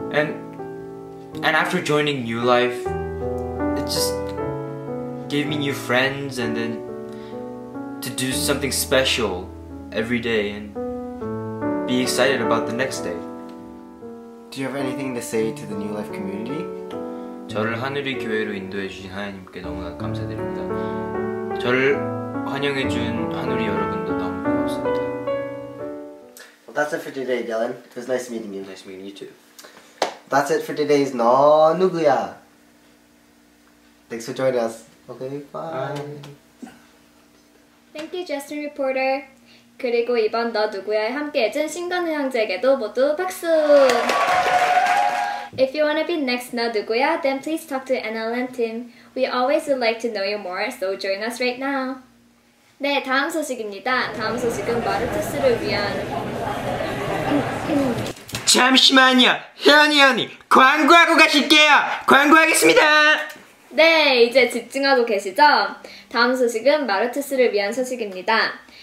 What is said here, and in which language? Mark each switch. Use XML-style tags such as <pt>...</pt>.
<en>And after joining New Life, it just gave me new friends and then to do something special every day and be excited about the next day. Do you have anything to say to the New Life community?</en> <ko>저를 하늘의 교회로 인도해 주신 하나님께 너무나 감사드립니다. 저를 환영해 준 하늘의 여러분도 너무 고맙습니다.</ko> <en>Well, that's it for today, Dylan. It was nice meeting you. Nice meeting you too. That's it for today's 너 누구야? Thanks for joining us. Okay, bye. Thank you, Justin Reporter.</en> <ko>그리고 이번 너 누구야에 함께해준 신건우 형제에게도 모두 박수!</ko> <en>If you wanna be next 너 누구야, then please talk to NLN team. We always would like to know you more, so join us right now.</en> <ko>네, 다음 소식입니다. 다음 소식은 마르투스를 위한... 잠시만요! 혜연이 언니, 광고하고 가실게요! 광고하겠습니다! 네, 이제 집중하고 계시죠? 다음 소식은 마르투스를 위한 소식입니다.</ko>